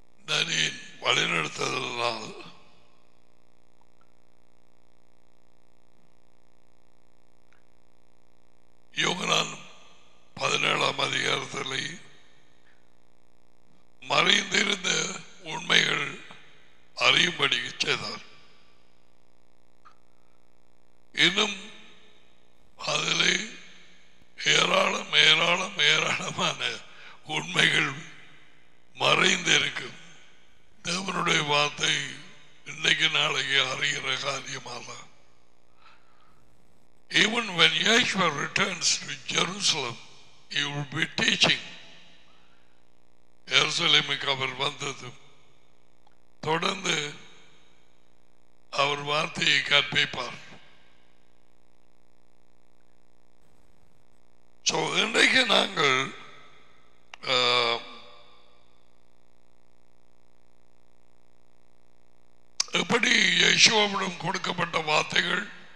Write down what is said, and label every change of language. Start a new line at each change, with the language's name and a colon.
Tamil: நதியின் வழிநடத்துதலால் யோகனான் 17 அதிகாரத்தில் மறைந்திருந்த உண்மைகள் அறியும்படி செய்தார். இன்னும் அதிலே ஏராளமான உண்மைகள் மறைந்திருக்கும். தேவனுடைய வார்த்தை இன்னைக்கு நாளைக்கு அறிகிற காரியமாக
English: even when Yeshua returns to Jerusalem, he will be teaching.
Tamil: எருசலேமுக்கு அவர் வந்தது தொடர்ந்து அவர் வார்த்தையை கற்பிப்பார். சோ இன்றைக்கு நாங்கள் எப்படி யேசுவிடம் கொடுக்கப்பட்ட வார்த்தைகள்